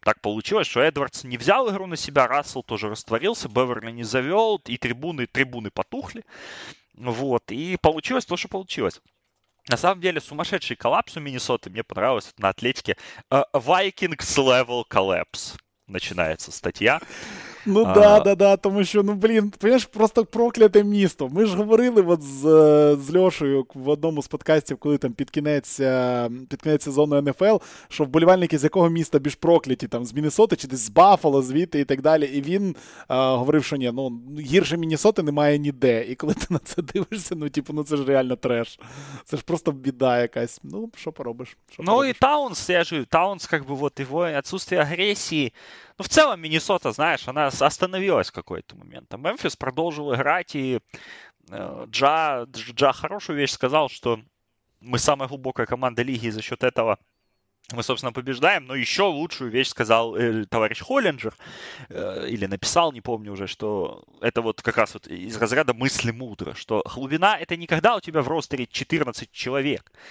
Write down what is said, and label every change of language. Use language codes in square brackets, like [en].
[ru] Так получилось, что Эдвардс не взял игру на себя, Рассел тоже растворился, Беверли не завел, и трибуны потухли. Вот, и получилось то, что получилось. На самом деле, сумасшедший коллапс у Миннесоты, мне понравилось это на Атлетике. [en] Vikings level collapse, [ru] начинается статья. [uk] Ну да, да, да, тому що, ну блін, понимаєш, просто прокляте місто. Ми ж говорили от з Льошею в одному з подкастів, коли там під кінець сезону НФЛ, що вболівальники з якого міста більш прокляті, там з Міннесоти чи десь з Баффало, звідти і так далі. І він говорив, що ні, ну гірше Міннесоти немає ніде. І коли ти на це дивишся, ну типу, ну це ж реально треш. Це ж просто біда якась. Ну, що поробиш? І Таунс, я ж кажу, Таунс, як би, от його відсутствие агресії. [ru] Ну, в целом, Миннесота, знаешь, она остановилась в какой-то момент. А Мемфис продолжил играть, и Джа хорошую вещь сказал, что мы самая глубокая команда лиги, и за счет этого мы, собственно, побеждаем. Но еще лучшую вещь сказал товарищ Холлинджер, или написал, не помню уже, что это вот как раз вот из разряда мысли мудро, что глубина — это не когда у тебя в ростере 14 человек.